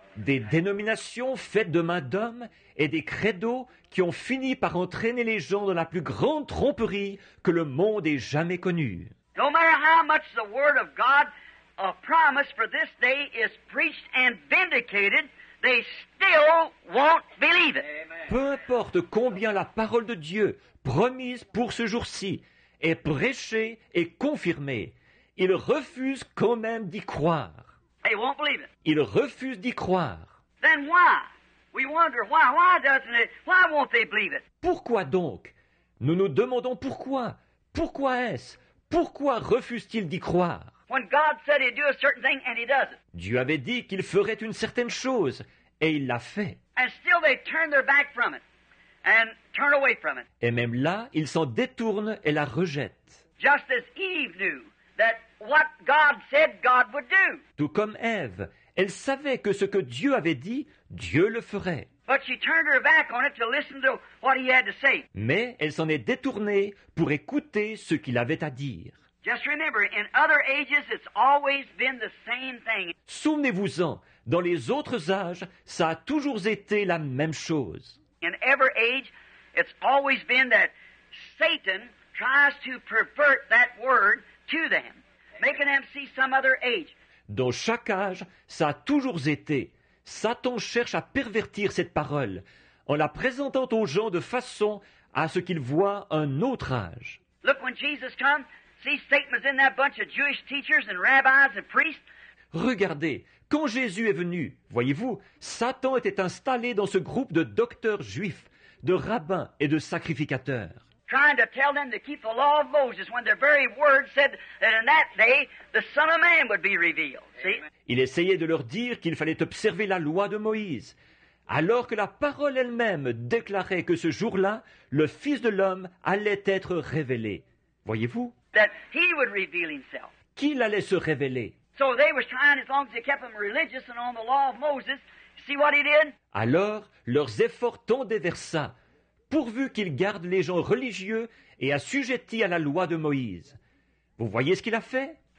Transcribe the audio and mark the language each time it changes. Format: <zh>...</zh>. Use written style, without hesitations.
<fr>Des dénominations faites de main d'homme et des credos qui ont fini par entraîner les gens dans la plus grande tromperie que le monde ait jamais connue.</fr> <en>No matter how much the word of God, a promise for this day, is preached and vindicated, they still won't believe it.</en> <fr>Peu importe combien la parole de Dieu, promise pour ce jour-ci, est prêchée et confirmée, ils refusent quand même d'y croire.</fr> <en>They won't believe it.</en> <fr>Ils refusent d'y croire.</fr> <en>Then why? We wonder why. Why doesn't it? Why won't they believe it?</en> <fr>Pourquoi donc? Nous nous demandons pourquoi. Pourquoi est-ce? Pourquoi refusent-ils d'y croire?</fr> <en>When God said he'd do a certain thing and he doesn't.</en> <fr>Dieu avait dit qu'il ferait une certaine chose et il l'a fait.</fr> <en>And still they turn their back from it and turn away from it.</en> <fr>Et même là, ils s'en détournent et la rejettent.</fr> <en>Just as Eve knew that. What God said God would do.</en> <fr>Tout comme Ève, elle savait que ce que Dieu avait dit, Dieu le ferait.</fr> <en>But she turned her back on it to listen to what he had to say.</en> <fr>Mais elle s'en est détournée pour écouter ce qu'il avait à dire.</fr> <en>Just remember, in other ages, it's always been the same thing.</en> <fr>Souvenez-vous-en, dans les autres âges, ça a toujours été la même chose.</fr> <en>In every age, it's always been that Satan tries to pervert that word to them. Making them see some other age.</en> <fr>Dans chaque âge, ça a toujours été. Satan cherche à pervertir cette parole en la présentant aux gens de façon à ce qu'ils voient un autre âge.</fr> <en>Look, when Jesus comes, see Satan was in that bunch of Jewish teachers and rabbis and priests.</en> <fr>Regardez, quand Jésus est venu, voyez-vous, Satan était installé dans ce groupe de docteurs juifs, de rabbins et de sacrificateurs.</fr> <en>Trying to tell them to keep the law of Moses when their very word said that in that day the Son of Man would be revealed. See?</en> <fr>Il essayait de leur dire qu'il fallait observer la loi de Moïse, alors que la parole elle-même déclarait que ce jour-là, le Fils de l'homme allait être révélé. Voyez-vous?</fr> <en>That he would reveal himself.</en> <fr>Qu'il allait se révéler.</fr> <en>So they were trying, as long as they kept them religious and on the law of Moses, see what he did?</en> <fr>Alors, leurs efforts tendaient vers ça. Pourvu qu'ils gardent les gens religieux et assujettis à la loi de Moïse. Vous voyez ce qu'il a fait?</fr>